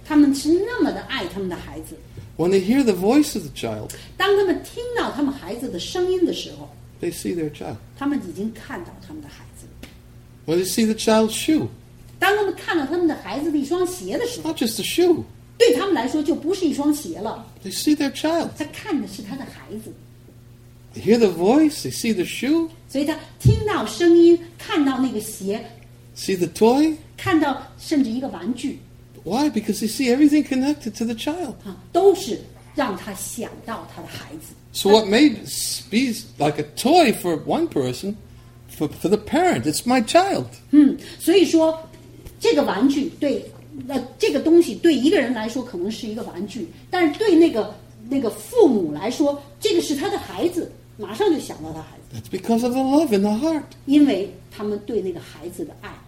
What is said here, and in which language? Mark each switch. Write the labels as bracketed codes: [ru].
[en] When they hear the voice of the child, they see their child. When they see the child's shoe, it's not just a shoe. They see their child. They hear the voice, they see the shoe. [zh] 所以他听到声音，看到那个鞋, [en] see the toy. [zh] 看到甚至一个玩具。 [en] Why? Because they see everything connected to the child. [zh] 都是让他想到他的孩子。So [en] what may be like a toy for one person, for the parent, it's my child. [zh] 所以说这个玩具对一个人来说可能是一个玩具，但是对那个父母来说，这个是他的孩子，马上就想到他孩子。That's [en] because of the love in the heart. [zh] 因为他们对那个孩子的爱。